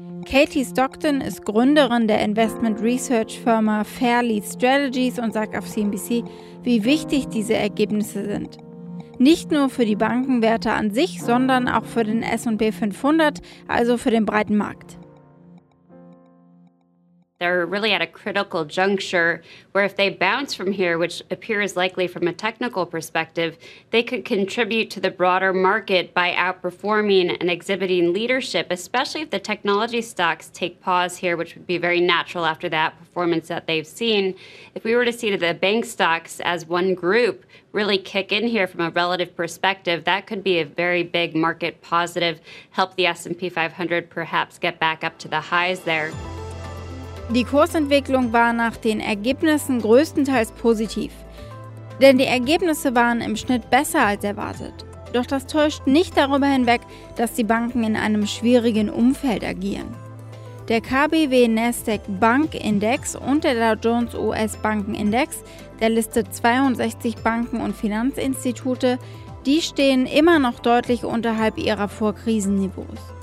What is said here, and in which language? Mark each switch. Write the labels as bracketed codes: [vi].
[de] Katie Stockton ist Gründerin der Investment-Research-Firma Fairleigh Strategies und sagt auf CNBC, wie wichtig diese Ergebnisse sind. Nicht nur für die Bankenwerte an sich, sondern auch für den S&P 500, also für den breiten Markt. [en] They're really at a critical juncture where if they bounce from here, which appears likely from a technical perspective, they could contribute to the broader market by outperforming and exhibiting leadership, especially if the technology stocks take pause here, which would be very natural after that performance that they've seen. If we were to see the bank stocks as one group really kick in here from a relative perspective, that could be a very big market positive, help the S&P 500 perhaps get back up to the highs there. [de] Die Kursentwicklung war nach den Ergebnissen größtenteils positiv, denn die Ergebnisse waren im Schnitt besser als erwartet. Doch das täuscht nicht darüber hinweg, dass die Banken in einem schwierigen Umfeld agieren. Der KBW Nasdaq Bank Index und der Dow Jones US Banken Index, der listet 62 Banken und Finanzinstitute, die stehen immer noch deutlich unterhalb ihrer Vorkrisenniveaus.